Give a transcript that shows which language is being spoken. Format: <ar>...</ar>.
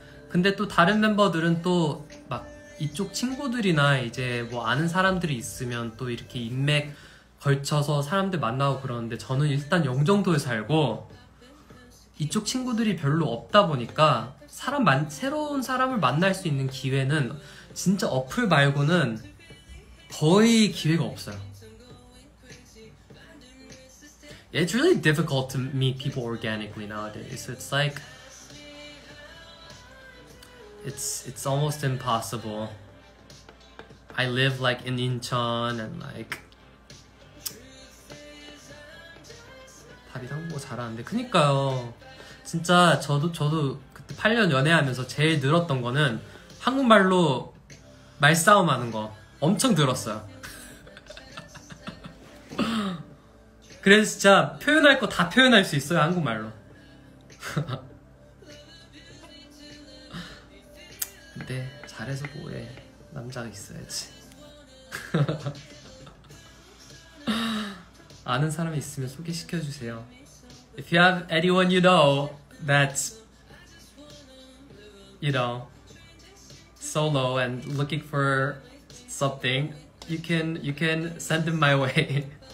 <ko>근데 또 다른 멤버들은 또 막 이쪽 친구들이나 이제 뭐 아는 사람들이 있으면 또 이렇게 인맥 걸쳐서 사람들 만나고 그러는데 저는 일단 영종도에 살고 이쪽 친구들이 별로 없다 보니까 새로운 사람을 만날 수 있는 기회는 진짜 어플 말고는 거의 기회가 없어요.</ko> <en>It's really difficult to meet people organically nowadays. It's like it's almost impossible. I live like in Incheon and like</en> <ko>다리도 한 거 잘하는데 그니까요. 진짜 저도 그때 8년 연애하면서 제일 늘었던 거는 한국말로 말싸움 하는 거 엄청 들었어요. 그래서 진짜 표현할 거 다 표현할 수 있어요, 한국말로. 근데 잘해서 뭐해. 남자가 있어야지. 아는 사람이 있으면 소개시켜주세요.</ko> <en>If you have anyone you know that's, you know, solo and looking for something, you can send them my way.</en>